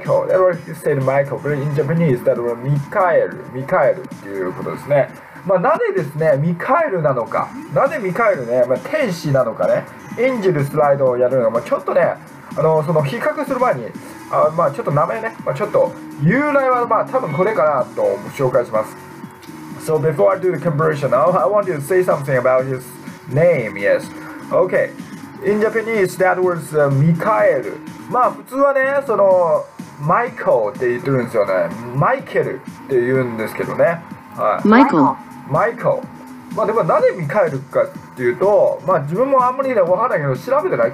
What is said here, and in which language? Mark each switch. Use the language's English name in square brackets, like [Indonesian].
[English] Everyone said Michael, but in Japanese that was Mikael. [Japanese] Mikael ということですね。まあ、なぜですね、ミカエルなのか。なぜミカエルね、まあ、天使なのかね。エンジェルスライドをやるのが、まあ、ちょっとね、その比較する前に、まあ、ちょっと名前ね、まあ、ちょっと由来は、まあ、多分これかなと紹介します。 [English] So before I do the comparison, I want to say something about his name, yes. Okay. In Japanese, that was Mikael. [Japanese] まあ普通はね、その、マイケルって言ってるんですよね。マイケルって言うんですけどね。はい、マイケル。マイケル。まあでもなぜ Mikael かっていうと、まあ自分もあんまりね、わからないけど、調べてない。